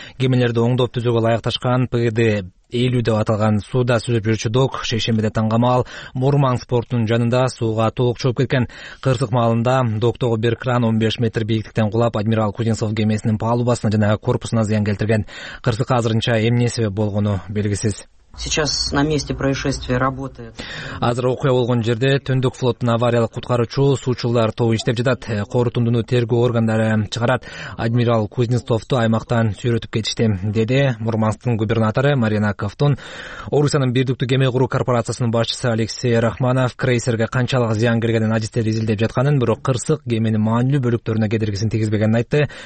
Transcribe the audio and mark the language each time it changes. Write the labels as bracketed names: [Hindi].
[Kyrgyz] Кемелерди оңдоп түзөгө ылайыкташкан ПГД 50 деп аталган сууда сүзүп жүрүүчү док шейшембиде таң камал Мурманск портунун жанында сууга толук чөгүп кеткен. Кырсык маалында доктогу бир кран 15 метр бийиктиктен кулап адмирал Кузнецов кемесинин палубасына жана корпусуна зыян келтирген. Кырсык азырынча эмне себеп болгону белгисиз. [Russian] Сейчас на месте происшествия работает. [Kyrgyz] Азыр окуя болгон жерде түндүк флоттун авариялык куткаруучу суучулар тобу иштеп жатат. Корутундуну тергөө органдары чыгарат. Адмирал Кузнецовту аймактан сүйрөтүп кетишти, деди Мурманскынын губернатору Марина Кафтун. Орусиянын бирдиктүү кеме куруу корпорациясынын башчысы Алексей Рахманов крейсерге канчалык зыян келгенин адистер изилдеп жатканын, бирок кырсык кеменин маанилүү бөлүктөрүнө кедергисин тийгизбегенин айтты.